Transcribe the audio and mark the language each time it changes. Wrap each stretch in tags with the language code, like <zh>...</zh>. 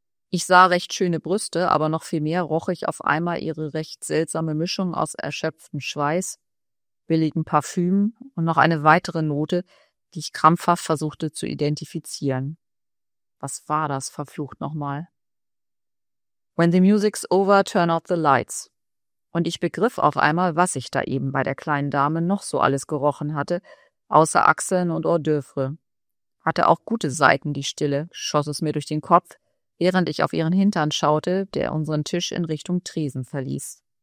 <de>Ich sah recht schöne Brüste, aber noch viel mehr roch ich auf einmal ihre recht seltsame Mischung aus erschöpftem Schweiß, billigem Parfüm und noch eine weitere Note, die ich krampfhaft versuchte zu identifizieren. Was war das, verflucht nochmal?</de> <en>When the music's over, turn out the lights.</en> <de>Und ich begriff auf einmal, was ich da eben bei der kleinen Dame noch so alles gerochen hatte, außer Achseln und Hors d'oeuvre. Hatte auch gute Seiten, die Stille, schoss es mir durch den Kopf, während ich auf ihren Hintern schaute, der unseren Tisch in Richtung Tresen verließ.</de>